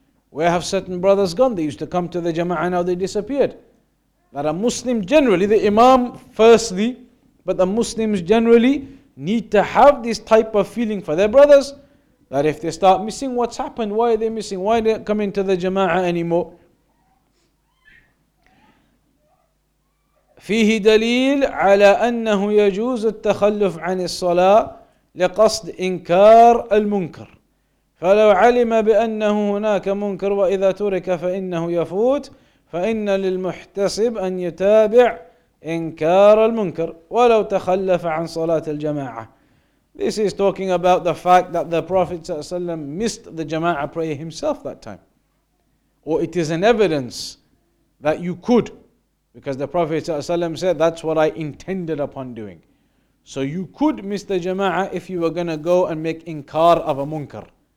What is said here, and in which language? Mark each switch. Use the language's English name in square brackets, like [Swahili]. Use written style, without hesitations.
[English] Where have certain brothers gone? They used to come to the jama'ah, now they disappeared. That a Muslim generally, the imam firstly, but the Muslims generally need to have this type of feeling for their brothers, that if they start missing, what's happened? Why are they missing? Why are they coming to the jama'ah anymore? [Arabic] فيه دليل على أنه يجوز التخلف عن الصلاة لقصد إنكار المنكر فلو علم بأنه هناك منكر وإذا ترك فإنه يفوت فإن للمحتسب أن يتابع إنكار المنكر ولو تخلف عن صلاة الجماعة. [English] This is talking about the fact that the Prophet صلى الله عليه وسلم missed the jama'ah prayer himself that time, or it is an evidence that you could, because the Prophet ﷺ said, that's what I intended upon doing. So you could miss the jama'ah if you were going to go and make inkar of a munkar.